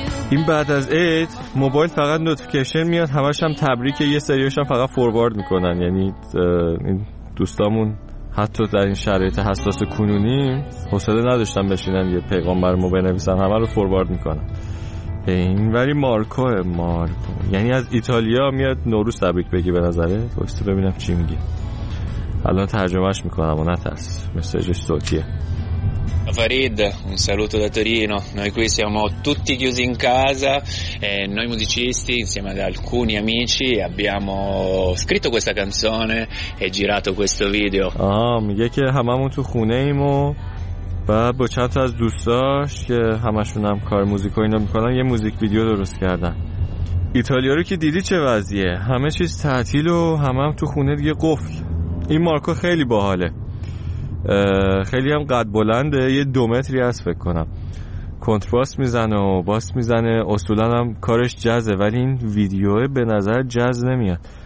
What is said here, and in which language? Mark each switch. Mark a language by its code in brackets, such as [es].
[fa] این بعد از اید موبایل فقط نوتیفیکیشن میاد، همش هم تبریک، یه سریاش هم فقط فوروارد میکنن، یعنی دوستامون حتی در این شرایط حساس کنونی حوصله نداشتن بشینن یه پیغام بر ما بنویسن، همه رو فوروارد میکنن. این ولی مارکوه، مارکو یعنی از ایتالیا میاد نوروز تبریک بگی به نظره. بایستو ببینم چی میگی، الان ترجمهش میکنم و نترس، مسیجش صوتیه. [it] Farid, un saluto da Torino. Noi qui siamo tutti chiusi in casa e noi musicisti insieme ad alcuni amici abbiamo scritto questa canzone e girato questo video. [fa] آه میگه که هممون تو خونه ایم و بعد با چند تا از دوستاش که همشون هم کار موزیک و اینا میکنن یه موزیک ویدیو درست کردن. ایتالیا رو که دیدی چه وضعیه، همه چیز تعطیل و همه هم تو خونه دیگه قفل. این مارکو خیلی باحاله، خیلی هم قد بلنده، یه دو متری هست فکر کنم، کنترباس میزنه و باس میزنه، اصولا هم کارش جزه ولی این ویدیوه به نظر جز نمیاد.